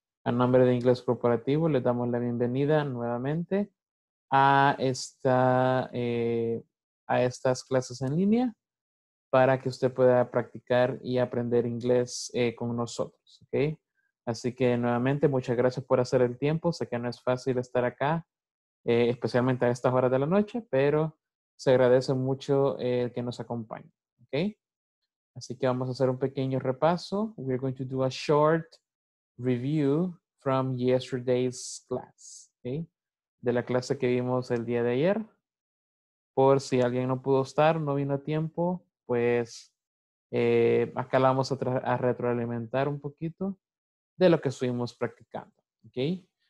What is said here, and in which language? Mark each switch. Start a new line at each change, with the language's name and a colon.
Spanish: A nombre de Ingles Corporativo, les damos la bienvenida nuevamente a estas clases en línea para que usted pueda practicar y aprender inglés con nosotros, ¿okay? Así que nuevamente, muchas gracias por hacer el tiempo. Sé que no es fácil estar acá, especialmente a estas horas de la noche, pero se agradece mucho el que nos acompañe. ¿Okay? Así que vamos a hacer un pequeño repaso.
English: We're going to do a short review from yesterday's class. ¿Okay?
Spanish: De la clase que vimos el día de ayer. Por si alguien no pudo estar, no vino a tiempo, pues acá la vamos a retroalimentar un poquito de lo que estuvimos practicando, okay?